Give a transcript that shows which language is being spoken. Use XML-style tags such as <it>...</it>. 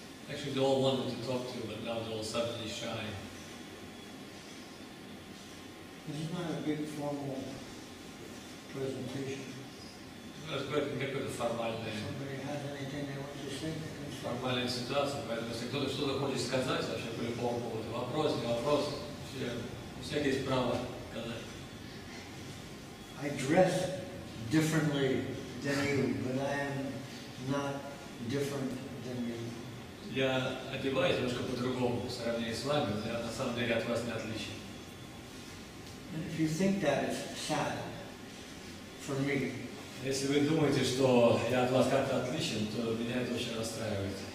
<en>Actually, they all wanted to talk to you, but now they're all suddenly shy. This is not a big formal presentation. That's great. We get the formal name. If somebody has anything they want to say, they can say. Formal situation.</en> <ru>Поэтому если кто-то что-то хочет сказать, вообще по любому поводу, вопрос, не вопрос, все, у всех есть право сказать.</ru> <en>I dress differently than you, but I am not different than you.</en> <ru>Я одеваюсь немножко по-другому, в сравнении с вами, но я на самом деле от вас не отличен.</ru> <en>And if you think that is sad for me.</en> <ru>Если вы думаете, что я от вас как-то отличен, то меня это очень расстраивает.</ru>